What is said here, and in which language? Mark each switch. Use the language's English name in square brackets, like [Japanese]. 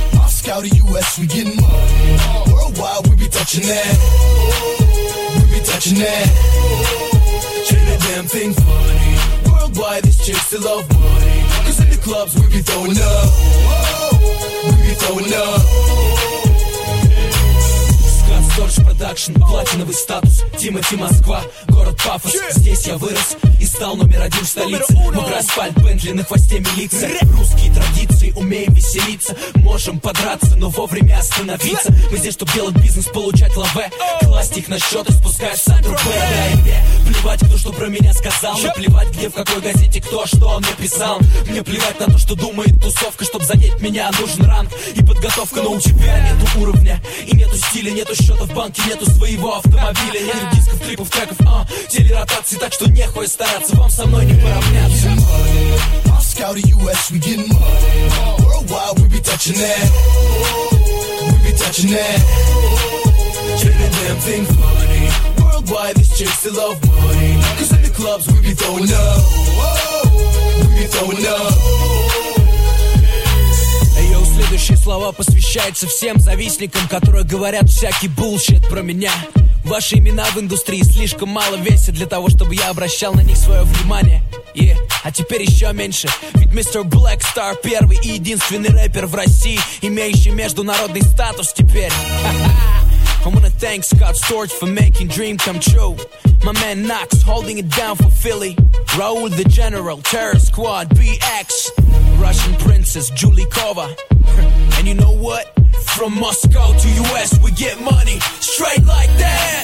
[English] Moscow to US, we getting money. Worldwide, we be touching that. We be touching that. Trade the damn thing for money. Worldwide, this chick still love money. Cause in the clubs, we be throwing up. We be throwing up. [Russian] Торч продакшн, платиновый статус, Тимати Москва, город пафос. Yeah. Здесь я вырос и стал номер один в столице. Мокрый асфальт, Бентли на хвосте милиции. Русские традиции, умеем веселиться. Можем подраться, но вовремя остановиться. Мы здесь, чтобы делать бизнес, получать лаве. Класть их на счет и спускать сатрупе. Да и мне плевать, кто что про меня сказал. Мне плевать, где, в какой газете, кто, что он мне писал. Мне плевать на то, что думает тусовка. Чтоб занять меня, нужен ранг и подготовка. Но у тебя нету уровня и нету стиля, нету счета. В банке нету своего автомобиля. Нету дисков, клипов, треков, телеротации. Так что нехуй стараться, вам со мной не поравняться. [English] We getting money. Moscow to US, we getting money. Worldwide, we be touching that. We be touching that. Trade the damn thing for money. Worldwide, this chick still love money. Cause in the clubs, we be throwing up. We be throwing up. [Russian] Следующие слова посвящаются всем завистникам, которые говорят всякий булшит про меня. Ваши имена в индустрии слишком мало весят для того, чтобы я обращал на них свое внимание. Yeah. А теперь еще меньше. Ведь мистер Black Star первый и единственный рэпер в России, имеющий международный статус теперь. [English] I wanna thank Scott Storch for making dream come true. My man Knox holding it down for Philly. Raul the General, Terror Squad, BX, Russian Princess Julie Kova. And you know what? From Moscow to US, we get money straight like that.